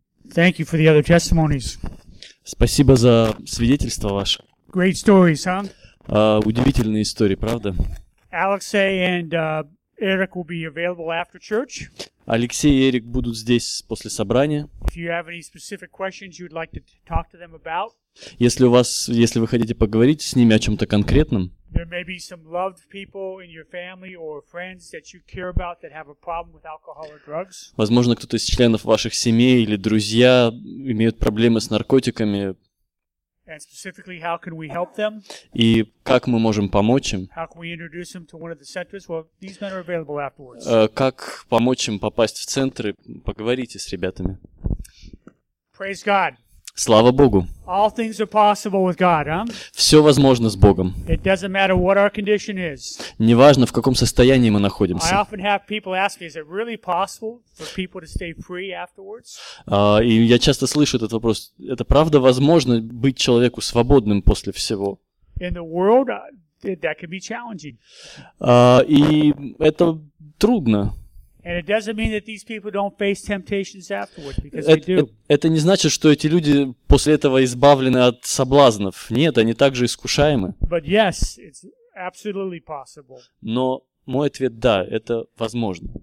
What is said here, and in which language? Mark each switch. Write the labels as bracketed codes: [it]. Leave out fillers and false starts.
[en] Thank you for the other testimonies. [ru] Спасибо за свидетельство ваше. [en] Great stories, huh? [ru] Удивительные истории, правда? [en] Alexei and Eric will be available after church. [ru] Алексей и Эрик будут здесь после собрания. [en] If you have any specific questions you'd like to talk to them about. [ru] Если у вас, если вы хотите поговорить с ними о чем-то конкретном. [en] There may be some loved people in your family or friends that you care about that have a problem with alcohol or drugs. [ru] Возможно, кто-то из членов ваших семей или друзья имеют проблемы с наркотиками. [en] And specifically, how can we help them? [ru] И как мы можем помочь им? [en] How can we introduce them to one of the centers? Well, these men are available afterwards. [ru] Как помочь им попасть в центры? Поговорите с ребятами. [en] Praise God. [ru] Слава Богу. [en] All things are possible with God, huh? [ru] Все возможно с Богом. [en] It doesn't matter what our condition is. [ru] Неважно, в каком состоянии мы находимся. [en] I often have people ask me, is it really possible for people to stay free afterwards? [ru] И я часто слышу этот вопрос. Это правда возможно быть человеку свободным после всего? [en] In the world, that can be challenging. [ru] И это трудно. [en] And it doesn't mean that these people don't face temptations afterwards, because they do. [ru] Это не значит, что эти люди после этого избавлены от соблазнов. Нет, они также искушаемы. [en] But yes, it's absolutely possible. [ru] Но мой ответ – да, это возможно.